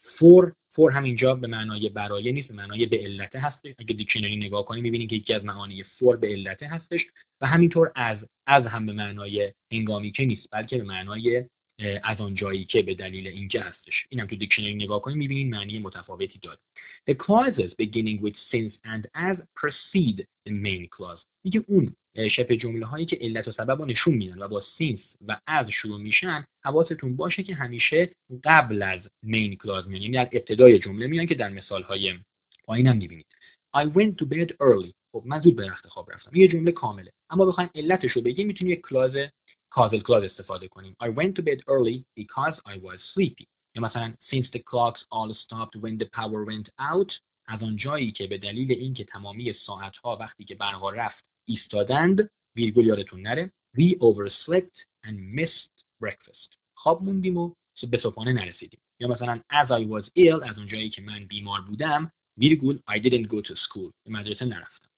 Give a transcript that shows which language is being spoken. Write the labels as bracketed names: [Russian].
[Persian] For هم اینجا به معنای برای نیست، به معنای به علت هستش. اگه دیکشنری نگاه کنیم میبینیم که یکی از معانی for به علت هستش. و همینطور از هم به معنای هنگامی که نیست، بلکه به معنای از آن جایی که به دلیل اینکه هستش. اینم تو دیکشنری نگاه کنیم میبینیم معنی متفاوتی داره. [English] The clauses beginning with since and as precede the main clause. [Persian] میگه اون شبه جمله هایی که علت و سبب رو نشون میدن و با since و as شروع میشن، حواستون باشه که همیشه قبل از main clause میان، یعنی از ابتدای جمله میان که در مثال های پایین هم میبینید. [English] I went to bed early. [Persian] خب من زود به رخت خواب رفتم. یه جمله کامله. اما بخوایم علتشو بگیم میتونی یه کلاز کازل کلاز استفاده کنیم. [English] I went to bed early because I was sleepy. [Persian] یا مثلا [English] since the clocks all stopped when the power went out. [Persian] از اونجایی که به دلیل اینکه تمامی ساعت‌ها وقتی که برق رفت ایستادند، ویرگول یادتون نره، [English] we overslept and missed breakfast. [Persian] خواب موندیم و به صبحانه نرسیدیم. یا مثلا [English] as I was ill، [Persian] از اونجایی که من بیمار بودم، ویرگول [English] I didn't go to school، [Persian] به مدرسه نرفتم.